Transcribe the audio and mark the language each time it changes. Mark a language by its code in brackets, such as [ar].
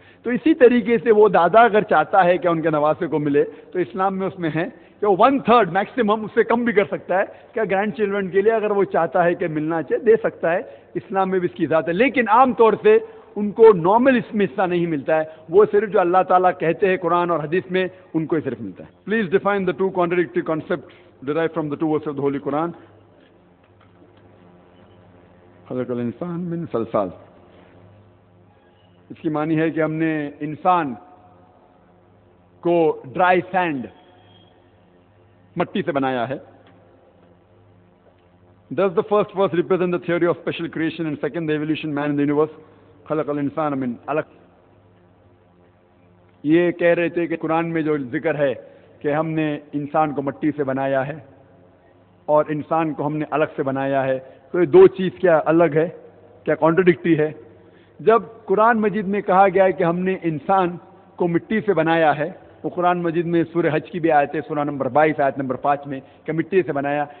[ur] تو اسی طریقے سے وہ دادا اگر چاہتا ہے کہ ان کے نواسے کو ملے تو اسلام میں اس میں ہے کہ 1/3 میکسیمم، اس سے کم بھی کر سکتا ہے کہ گرینڈ چلڈرن کے لیے اگر وہ چاہتا ہے کہ ملنا چاہے دے سکتا ہے، اسلام میں بھی اس کی ذات ہے. لیکن عام طور سے ان کو نارمل اس میں حصہ نہیں ملتا ہے، وہ صرف جو اللہ تعالیٰ کہتے ہیں قرآن اور حدیث میں ان کو ہی صرف ملتا ہے. [en] please define the two contradictory concept derive from the two verses of the holy Quran, [ar] خلق الانسان من صلصال. [ur] اس کی معنی ہے کہ ہم نے انسان کو ڈرائی سینڈ مٹی سے بنایا ہے. [en] does the first verse represent the theory of special creation and second the evolution man in the universe, [ar] خلق الانسان من علق. [ur] یہ کہہ رہے تھے کہ قرآن میں جو ذکر ہے کہ ہم نے انسان کو مٹی سے بنایا ہے اور انسان کو ہم نے علق سے بنایا ہے، تو یہ دو چیز کیا الگ ہے؟ کیا کانٹرڈکٹری ہے؟ جب قرآن مجید میں کہا گیا ہے کہ ہم نے انسان کو مٹی سے بنایا ہے، وہ قرآن مجید میں سورہ حج کی بھی آیت ہے سورہ نمبر 22 آیت نمبر 5 میں کہ مٹی سے بنایا.